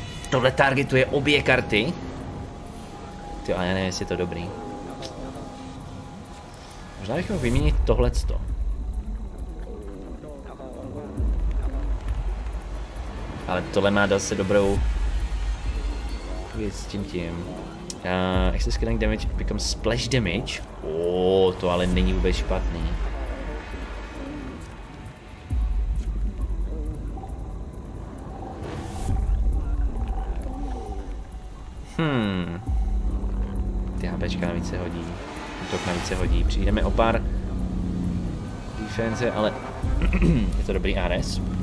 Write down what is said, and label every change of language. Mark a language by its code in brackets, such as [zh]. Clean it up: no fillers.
[cs] Tohle targetuje obě karty. Tyjo, ale já nevím, jestli je to dobrý. Možná bych mohl vyměnit tohleto. Ale tohle má zase dobrou věc s tím. [en] Excess Killing Damage becomes Splash Damage. [cs] To ale není vůbec špatný. Ty HPčka navíc se hodí, útok navíc se hodí, přijdeme o pár defense, ale je to dobrý ARS.